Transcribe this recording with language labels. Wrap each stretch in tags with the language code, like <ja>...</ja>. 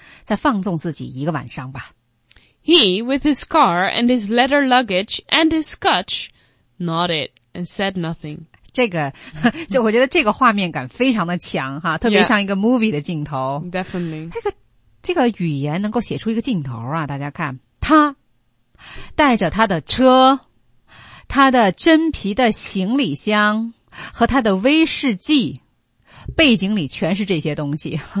<zh>再放纵自己一个晚上吧。</zh> <en>He, with his car and his leather luggage and his scotch, nodded and said nothing.</en> <zh>这个，就我觉得这个画面感非常的强哈，特别像一个 movie 的镜头。</zh> <en>Yeah, definitely.</en> <zh>这个语言能够写出一个镜头啊，大家看，他带着他的车，他的真皮的行李箱和他的威士忌，背景里全是这些东西。</zh>